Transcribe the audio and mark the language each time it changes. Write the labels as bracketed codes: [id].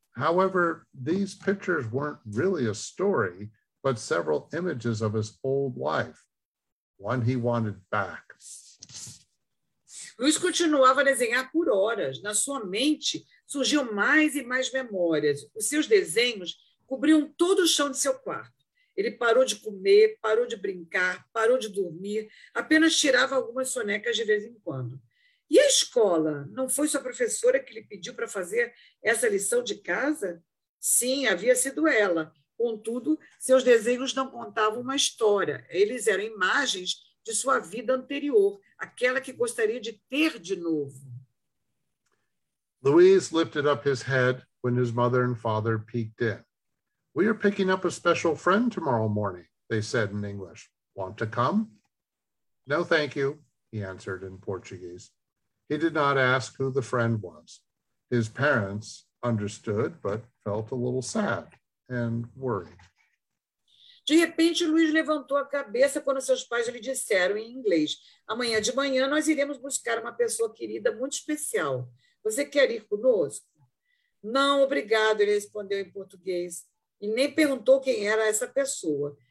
[en] However, these pictures weren't really a story, but several images of his old life, one he wanted back. [pt] Luiz continuava a desenhar por horas. Na sua mente, surgiam mais e mais memórias. Os seus desenhos cobriam todo o chão de seu quarto. Ele parou de comer, parou de brincar, parou de dormir, apenas tirava algumas sonecas de vez em quando. E a escola? Não foi sua professora que lhe pediu para fazer essa lição de casa? Sim, havia sido ela. Contudo, seus desenhos não contavam uma história. Eles eram imagens de sua vida anterior, aquela que gostaria de ter de novo. [en] Luiz lifted up his head when his mother and father peeked in. "We are picking up a special friend tomorrow morning," they said in English. "Want to come?" "No, thank you," he answered in Portuguese. He did not ask who the friend was. His parents understood, but felt a little sad and worried. [pt] De repente, Luiz levantou a cabeça quando seus pais lhe disseram em inglês: "Amanhã de manhã nós iremos buscar uma pessoa querida muito especial. Você quer ir conosco?" "Não, obrigado," ele respondeu em português, e nem perguntou quem era essa pessoa.